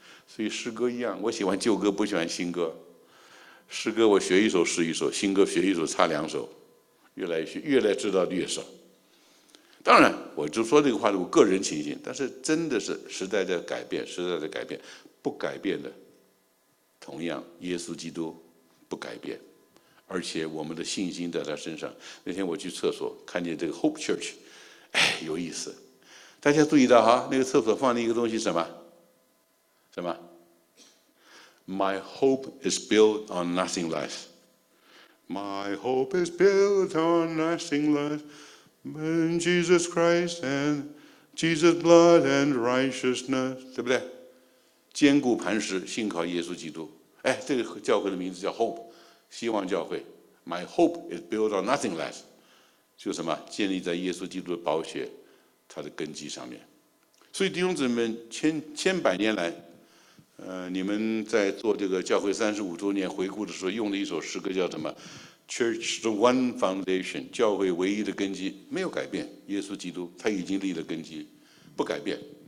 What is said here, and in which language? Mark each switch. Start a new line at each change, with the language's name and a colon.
Chinese: 所以诗歌一样，我喜欢旧歌，不喜欢新歌，诗歌我学一首是一首，新歌学一首差两首，越来越学，越来知道越少。当然我就说这个话是我个人情形，但是真的是时代的改变，时代的改变，不改变的同样耶稣基督不改变，而且我们的信心在他身上。那天我去厕所看见这个 Hope Church， 哎，有意思，大家注意到哈，那个厕所放的一个东西什么什么
English: My hope is built on nothing less，
Chinese: My hope is built on nothing less
English: When Jesus Christ and Jesus' blood and righteousness，
Chinese: 对不对？坚固磐石，信靠耶稣基督。哎，这个教会的名字叫 Hope， 希望教会。
English: My hope is built on nothing less，
Chinese: 就什么？建立在耶稣基督的宝血，它的根基上面。所以弟兄姊妹们，千百年来，你们在做这个教会35周年回顾的时候，用的一首诗歌叫什么 ？
English: Church the one foundation，
Chinese: 教会唯一的根基没有改变，耶稣基督他已经立了根基，不改变。